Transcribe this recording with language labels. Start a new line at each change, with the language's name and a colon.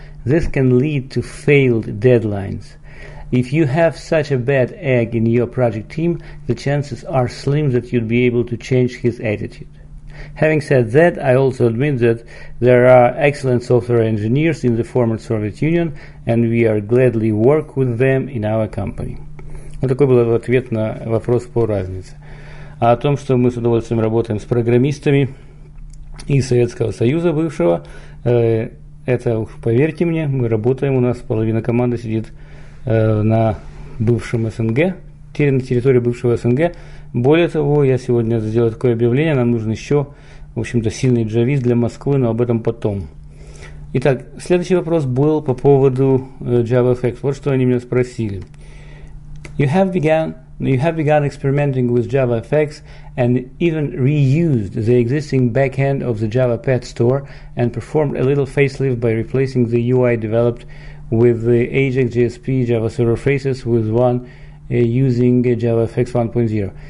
English: This can lead to failed deadlines. If you have such a bad egg in your project team, the chances are slim that you'd be able to change his attitude. Having said that, I also admit that there are excellent software engineers in the former Soviet Union, and we are gladly work with them in our company.
Russian: Вот такой был ответ на вопрос по разнице. А о том, что мы с удовольствием работаем с программистами из Советского Союза бывшего, это уж поверьте мне, мы работаем, у нас половина команды сидит на бывшем СНГ, на территории бывшего СНГ. Более того, я сегодня сделаю такое объявление, нам нужен еще, в общем-то, сильный джавист для Москвы, но об этом потом. Итак, следующий вопрос был по поводу JavaFX. Вот что они меня спросили.
English: You have begun experimenting with JavaFX and even reused the existing backend of the Java Pet Store and performed a little facelift by replacing the UI developed with the Ajax JSP Java Server Faces with one using JavaFX 1.0.